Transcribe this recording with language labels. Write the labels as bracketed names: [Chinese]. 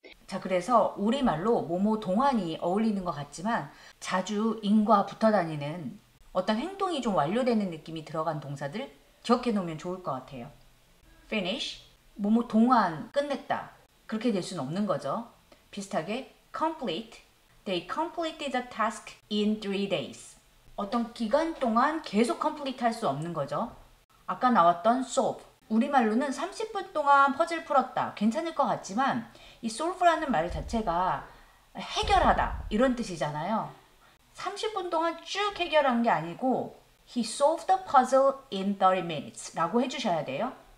[Korean] 자, 그래서 우리말로 뭐뭐 동안이 어울리는 것 같지만 자주 인과 붙어 다니는 어떤 행동이 좀 완료되는 느낌이 들어간 동사들 기억해 놓으면 좋을 것 같아요. Finish, 뭐뭐 동안 끝냈다. 그렇게 될 수는 없는 거죠. 비슷하게 [English] complete, they completed the task in 3 days. [Korean] 어떤 기간 동안 계속 complete 할수 없는 거죠. 아까 나왔던 solve, 우리말로는 30분 동안 퍼즐 풀었다. 괜찮을 것 같지만 이 solve라는 말 자체가 해결하다 이런 뜻이잖아요. 30분 동안 쭉 해결한 게 아니고 [English] he solved the puzzle in 30 minutes [Korean] 라고 해주셔야 돼요.